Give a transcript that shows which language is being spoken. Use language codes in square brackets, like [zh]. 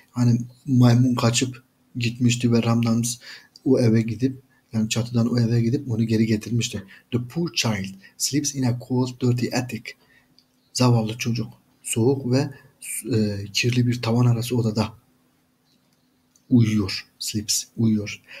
[tr] Hani maymun kaçıp gitmişti ve Ramdas o eve gidip yani çatıdan o eve gidip onu geri getirmişti. [en] The poor child sleeps in a cold, dirty attic. [tr] Zavallı çocuk soğuk ve kirli bir tavan arası odada uyuyor, sleeps, uyuyor.